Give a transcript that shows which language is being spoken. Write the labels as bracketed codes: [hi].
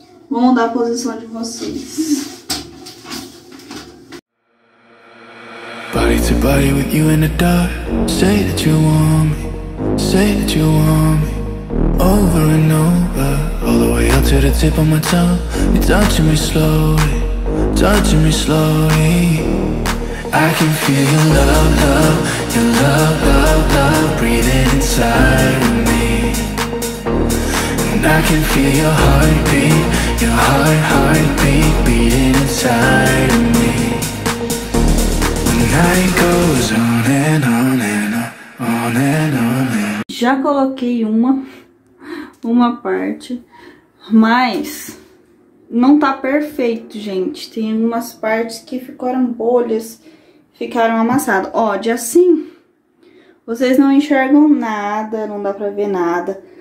[pt] Vou mudar a posição de vocês. [en] Body to body with you in the dark. Say that you want me. Say that you want me. Over and over. All the way up to the tip of my tongue. You're touching me slowly. Touching me slowly. I can feel your love, love. Your love, love, love. Breathing inside of me. And I can feel your heartbeat. Your heart, heartbeat beating inside of me. The night goes on and on and on, on and on and on. [pt] Já coloquei uma parte, mas não tá perfeito, gente. Tem algumas partes que ficaram bolhas, ficaram amassadas. Ó, de assim, vocês não enxergam nada, não dá pra ver nada.